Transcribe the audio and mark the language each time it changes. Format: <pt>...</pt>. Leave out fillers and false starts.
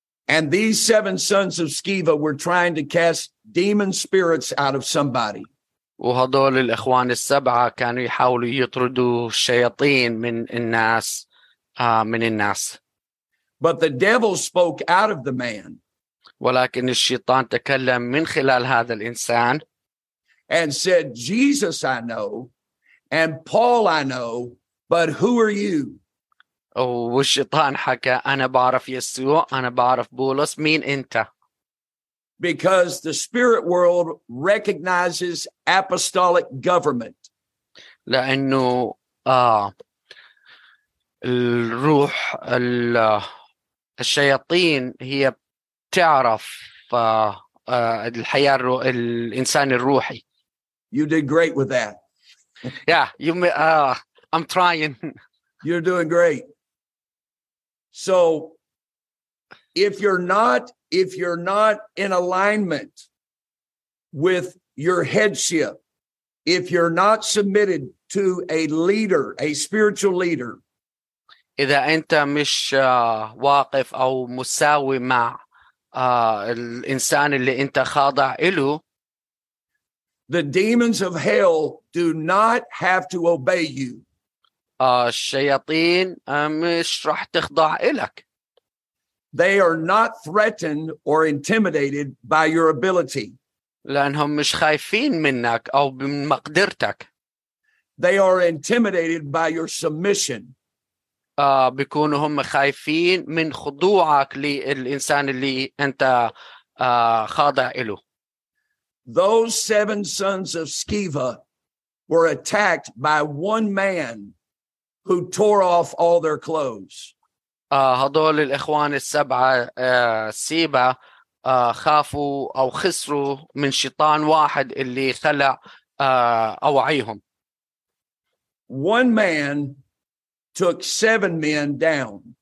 <en>And these seven sons of Sceva were trying to cast demon spirits out of somebody.</en> <ar>وهذول الإخوان السبعة كانوا يحاولوا يطردوا شياطين من الناس من الناس.</ar> <en>But the devil spoke out of the man.</en> <ar>ولكن الشيطان تكلم من خلال هذا الإنسان.</ar> <en>And said, "Jesus I know, and Paul I know, but who are you?"</en> <ar>والشيطان حكى أنا بعرف يسوع أنا بعرف بولس مين أنت؟</ar> <en>Because the spirit world recognizes apostolic government.</en> <ar>لأنه الروح الشياطين هي تعرف الحياة الإنسان الروحي.</ar> <en>You did great with that. Yeah, I'm trying. You're doing great. So if you're not in alignment with your headship, if you're not submitted to a leader, a spiritual leader,</en> <ar>إذا أنت مش واقف أو مساوي مع الإنسان اللي أنت خاضع إله,</ar> <en>the demons of hell do not have to obey you.</en> <ar>الشياطين مش راح تخضع إلك.</ar> <en>They are not threatened or intimidated by your ability.</en> <ar>لأنهم مش خايفين منك أو بمقدرتك.</ar> <en>They are intimidated by your submission.</en> <ar>بيكونوا هم خايفين من خضوعك للإنسان اللي أنت خاضع إله.</ar> <en>Those seven sons of Sceva were attacked by one man who tore off all their clothes.</en> <ar>هذول الإخوان السبعة سيبا خافوا أو خسروا من شيطان واحد اللي خلع أوعيهم.</ar> <en>One man took seven men down.</en>